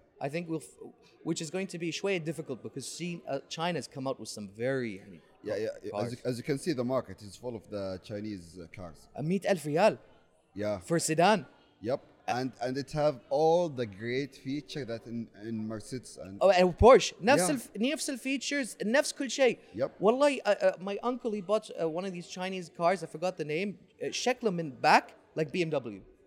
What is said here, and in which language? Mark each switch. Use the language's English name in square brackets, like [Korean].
[English] I think we'll, which is going to be shway difficult because China's come out with some very. As you can see, the market is full of the Chinese cars. 100,000 riyal. Yeah. For a sedan. Yep. And it have all the great features that in Mercedes and. Oh, and Porsche. [Arabic] نفس features, نفس كل شيء. [English] Yep. والله, my uncle, he bought one of these Chinese cars. I forgot the name. [Arabic] شكله من [English] back like [Arabic] BMW.